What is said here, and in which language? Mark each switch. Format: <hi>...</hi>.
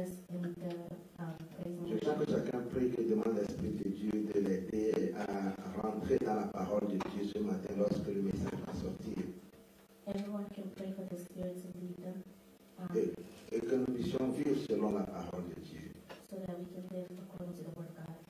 <fr>Je veux que chacun prie et demande à l'Esprit de Dieu de l'aider à rentrer dans la parole de Dieu ce matin lorsque le message va sortir.</fr> <en>Everyone can pray for the Spirit to lead them.</en> <fr>Et que nous puissions vivre selon la parole de Dieu.</fr> <en>So that we can live according to the word of God.</en>